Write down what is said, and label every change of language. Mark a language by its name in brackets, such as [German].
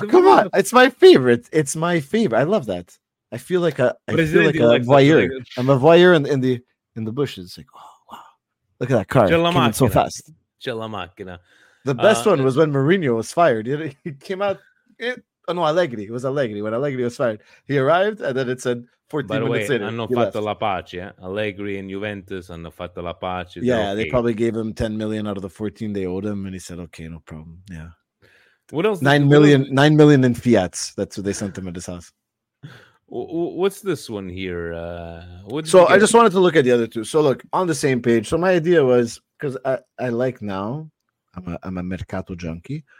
[English] the come movie? On. It's my favorite. I love that. I feel like a voyeur. I'm a voyeur in the bushes. It's like, oh, wow. Look at that car. Coming so fast. The best one was when Mourinho was fired. He came out. Allegri. It was Allegri. When Allegri was fired, he arrived and then it said 14 by the minutes way, in. [Italian] Hanno fatto la pace. [English] Yeah? [Italian] Allegri and Juventus hanno fatto la pace. [English] Yeah, okay. They probably gave him 10 million out of the 14 they owed him and he said, okay, no problem. Yeah. What else? Nine million in fiats. That's what they sent him at his house. What's this one here? I just wanted to look at the other two. So look, on the same page. So my idea was, because I like now, I'm a mercato junkie.